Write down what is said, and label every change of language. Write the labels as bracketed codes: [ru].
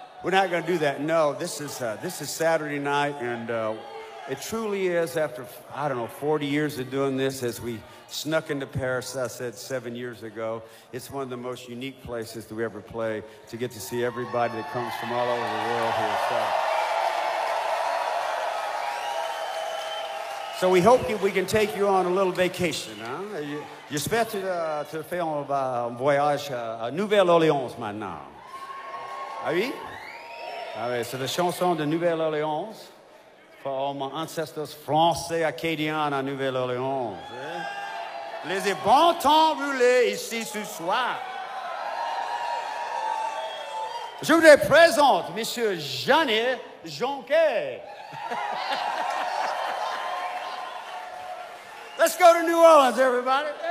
[en] We're not going to do that. No, this is Saturday night, and it truly is, after, I don't know, 40 years of doing this, as we snuck into Paris, I said 7 years ago, it's one of the most unique places that we ever play, to get to see everybody that comes from all over the world here. So we hope we can take you on a little vacation, huh? [fr] J'espère te faire un voyage à Nouvelle-Orléans maintenant. Ah oui? Ah oui, c'est la chanson de Nouvelle-Orléans [en] for all my ancestors [fr] français acadiens à Nouvelle-Orléans. Les bons temps brûlés ici ce soir. Je vous les présente, Monsieur Johnny Jonquet. [en] Let's go to New Orleans, everybody.